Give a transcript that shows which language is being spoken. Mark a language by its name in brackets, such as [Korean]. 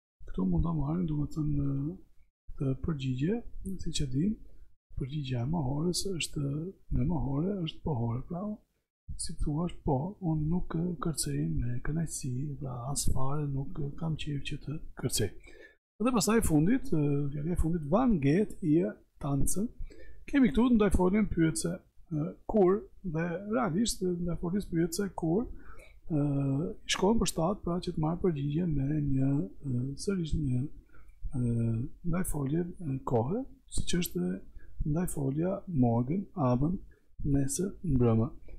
[Albanian] Këtu mund ta marrim, do më thëmë, përgjigje, si që dim, përgjigje e mahores është me mahore, është pohore, pra, si të thua është po, unë nuk kërcej me kënaqësi, pra, as fare nuk kam qejf që të kërcej. Dhe pasaj fundit, fjalia e fundit, [German] wann geht ihr tanzen? [Albanian] Kemi këtu ndaj foljen pyetëse kur, dhe realisht ndaj foljes pyetëse kur, i shkojnë për shtatë, pra, që të marrë përgjigje me një, sërish një, ndaj folje kohë, si që është ndaj folja morgen, abën, nesër, mbrëmë.